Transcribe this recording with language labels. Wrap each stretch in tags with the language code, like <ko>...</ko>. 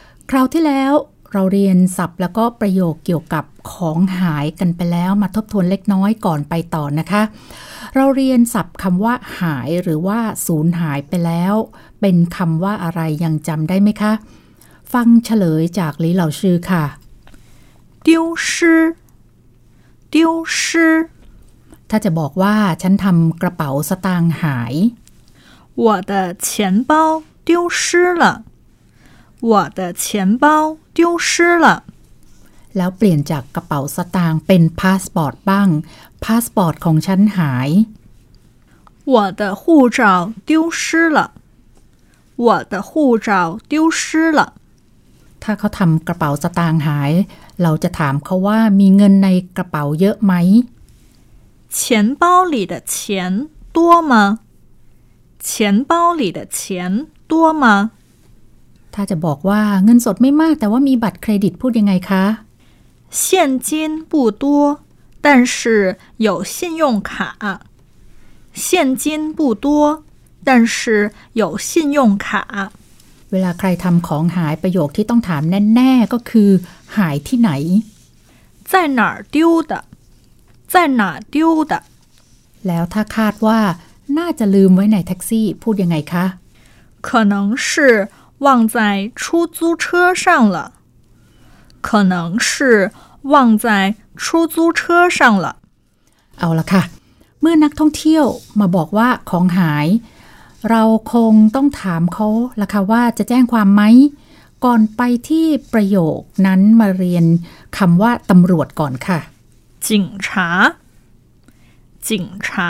<th>คราวที่แล้วเราเรียนศัพท์แล้วก็ประโยคเกี่ยวกับของหายกันไปแล้วมาทบทวนเล็กน้อยก่อนไปต่อนะคะเราเรียนศัพท์คำว่าหายหรือว่าสูญหายไปแล้วเป็นคำว่าอะไรยังจำได้ไหมคะฟังเฉลยจากหลี่เหล่าชื่อค่ะ</th> <zh>丢失丢失</zh> <th>ถ้าจะบอกว่าฉันทำกระเป๋าสตางค์หาย</th> <zh>我的钱包丢失了我的钱包丢失了</zh> <th>แล้วเปลี่ยนจากกระเป๋าสตางค์เป็นพาสปอร์ตบ้างพาสปอร์ตของฉันหาย</th> <zh>我的护照丢失了我的护照丢失了</zh> <th>ถ้าเขาทำกระเป๋าสตางค์หายเราจะถามเขาว่ามีเงินในกระเป๋าเยอะไหม</th> <zh>钱包里的钱多吗钱包里的钱多吗</zh> <th>ถ้าจะบอกว่าเงินสดไม่มากแต่ว่ามีบัตรเครดิตพูดยังไงคะ</th> <zh>现金不多但是有信用卡现金不多但是有信用卡</zh> <th>เวลาใครทำของหายประโยคที่ต้องถามแน่ๆก็คือหายที่ไหน</th> <zh>在哪儿丢的在哪儿丢的</zh> <th>แล้วถ้าคาดว่าน่าจะลืมไว้ในแท็กซี่พูดยังไงคะ</th> <zh>可能是忘在出租车上了可能是忘在出租车上了</zh> <th>เอาละค่ะเมื่อนักท่องเที่ยวมาบอกว่าของหายเราคงต้องถามเขาละค่ะว่าจะแจ้งความไหมก่อนไปที่ประโยคนั้นมาเรียนคำว่าตำรวจก่อนค่ะ</th> <zh>警察警察</zh>